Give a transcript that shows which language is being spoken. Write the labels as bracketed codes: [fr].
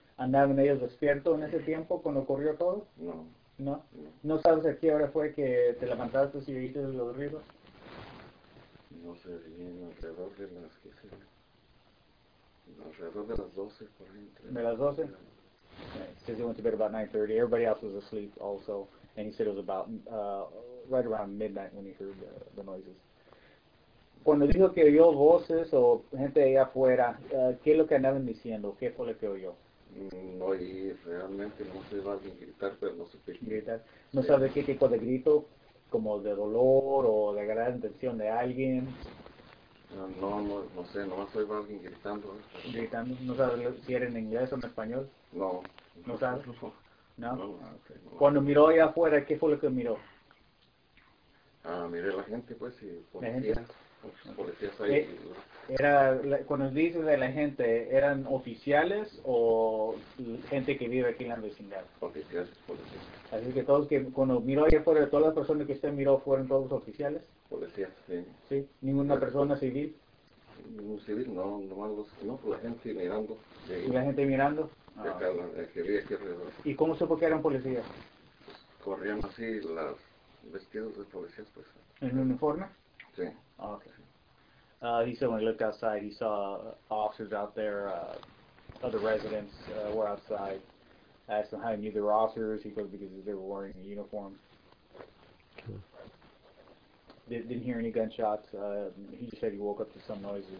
[es] ¿Andaban ellos despiertos en ese tiempo cuando ocurrió todo? No. ¿No? ¿No sabes a qué hora fue que te levantaste y oíste de los ruidos? No sé, bien, alrededor de las, qué sé, alrededor de las 12, por ejemplo. ¿De las 12? Sí, se [en] went to bed about 9:30. Everybody else was asleep also, and he said it was about, right around midnight when he heard the noises. [es] Cuando dijo que oyó voces o gente ahí afuera, ¿qué es lo que andaban diciendo? ¿Qué fue lo que oyó? No oí realmente, no sé, alguien gritar, pero no supe. ¿Gritar? ¿No sí. sabe qué tipo de grito? ¿Como de dolor o de gran intención de alguien? No sé, nomás oigo a alguien gritando. ¿Gritando? ¿No sabe si era en inglés o en español? No. ¿No sabe? No. [en] Okay. [es] Cuando miró ahí afuera, ¿qué fue lo que miró? Miré a la gente, pues, y policías. Ahí. Era cuando dices de la gente, ¿eran oficiales o gente que vive aquí en la vecindad? Oficiales, policías. Así que todos que cuando miró allá afuera, todas las personas que usted miró fueron todos oficiales. Policías, sí. ¿Sí? ¿Ninguna pero, persona civil? Un civil, no, nomás los no, la gente mirando. ¿Y la gente mirando? De acá, que vive aquí alrededor. ¿Y cómo supo que eran policías? Pues, corrían así los vestidos de policías, pues. ¿En uniforme? Sí. [en] Okay. He said when he looked outside, he saw officers out there, other residents were outside. I asked him how he knew they were officers. He goes because they were wearing a uniform. Didn't hear any gunshots. He just said he woke up to some noises.